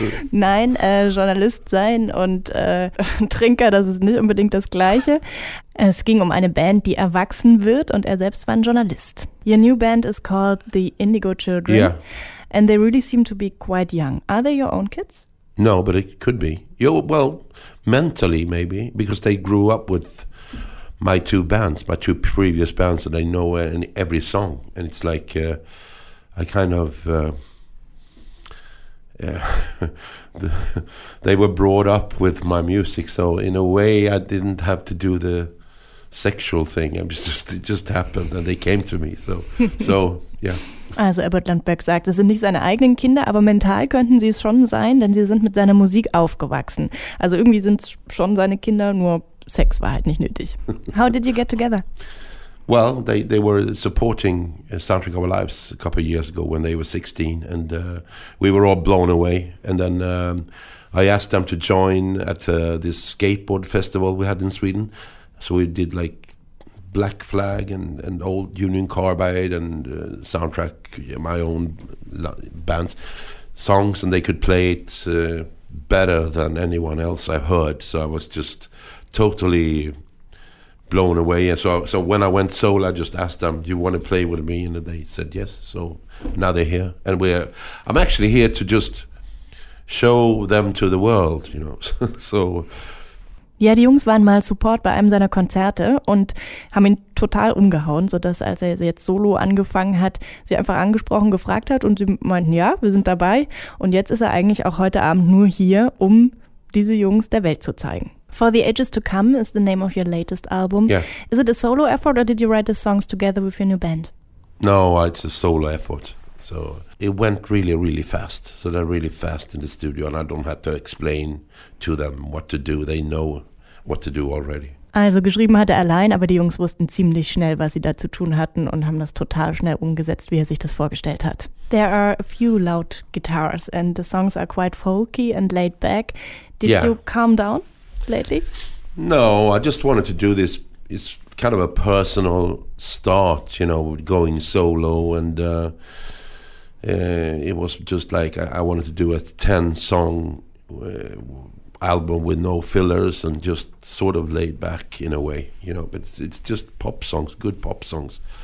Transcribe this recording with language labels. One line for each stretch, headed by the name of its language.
German: Nein, Journalist sein und Trinker, das ist nicht unbedingt das Gleiche. Es ging um eine Band, die erwachsen wird, und er selbst war ein Journalist.
English: Your new band is called The Indigo Children. Yeah. And they really seem to be quite young. Are they your own kids? No, but it could be. Well, mentally maybe, because they grew up with my 2 bands, my 2 previous bands, and I know in every song. And it's like they were brought up with my music, so in a way I didn't have to do the sexual thing. It just happened and they came to me. So yeah.
German: Also Abbott Lundberg sagt, es sind nicht seine eigenen Kinder, aber mental könnten sie es schon sein, denn sie sind mit seiner Musik aufgewachsen. Also irgendwie sind es schon seine Kinder, nur Sex war halt nicht nötig.
English: How did you get together? Well, they were supporting Soundtrack of Our Lives a couple of years ago when they were 16, and we were all blown away. And then I asked them to join at this skateboard festival we had in Sweden. So we did like Black Flag and old Union Carbide and Soundtrack, my own band's songs, and they could play it better than anyone else I heard. So I was just totally blown away. And so when I went solo, I just asked them, do you want to play with me? And they said yes. So now they're here. And I'm actually here to just show them to the world, you know. So.
German: Ja, die Jungs waren mal Support bei einem seiner Konzerte und haben ihn total umgehauen, sodass, als er jetzt solo angefangen hat, sie einfach angesprochen, gefragt hat und sie meinten, ja, wir sind dabei. Und jetzt ist er eigentlich auch heute Abend nur hier, um diese Jungs der Welt zu zeigen.
English: For the Ages to Come is the name of your latest album. Yeah. Is it a solo effort or did you write the songs together with your new band? No, it's a solo effort. So it went really, really fast. So they're really fast in the studio and I don't have to explain to them what to do. They know what to do already.
German: Also geschrieben hat er allein, aber die Jungs wussten ziemlich schnell, was sie da zu tun hatten und haben das total schnell umgesetzt, wie er sich das vorgestellt hat.
English: There are a few loud guitars and the songs are quite folky and laid back. Did you calm down lately? No, I just wanted to do this. It's kind of a personal start, you know, going solo, and it was just like I wanted to do a 10-song album with no fillers and just sort of laid back in a way, you know, but it's just pop songs, good pop songs.